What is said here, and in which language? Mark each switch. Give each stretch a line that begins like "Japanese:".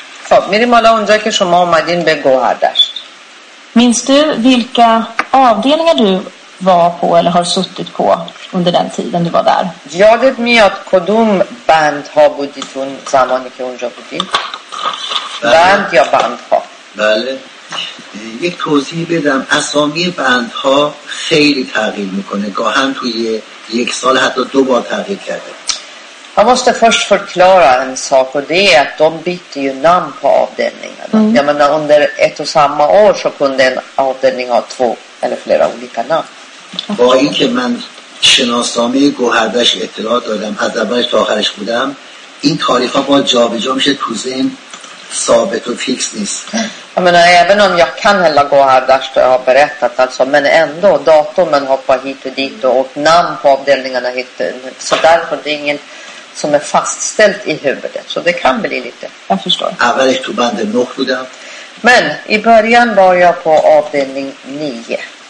Persian: خب میریم حالا اونجا که شما اومدین به Gohardasht.
Swedish: Minns du vilka avdelningar du var på eller har suttit på under den tiden du var där?
Persian: یادت میاد کدوم بند ها بودی تو زمانی که اونجا بودی؟ بند یا بندها؟ بله، یک توضیح بدم، اسامی بندها خیلی تغییر میکنه، گاهن توی یک سال حتی دو بار تغییر کرده.
Swedish: Jag måste först förklara en sak, och det är att de bytte ju namn på avdelningarna. Mm. Jag menar, under ett och samma år så kunde en avdelning ha två eller flera olika namn.
Persian: با این که من شناسنامه گوهردش اطلاع دادم از اولش تا آخرش بودم، این تاریخ ها با جا به جا میشه، تو ذهن ثابت و فیکس نیست.
Swedish: Jag menar, även om jag kan hela Gohardasht och har berättat alltså, men ändå datumen hoppar hit och dit och namn på avdelningarna hit, så därför det är ingen som är fastställt i huvudet, så det kan bli lite. Jag förstår.
Persian: Avvalet tog bandet nog bodam.
Swedish: Men i början var jag på avdelning 9.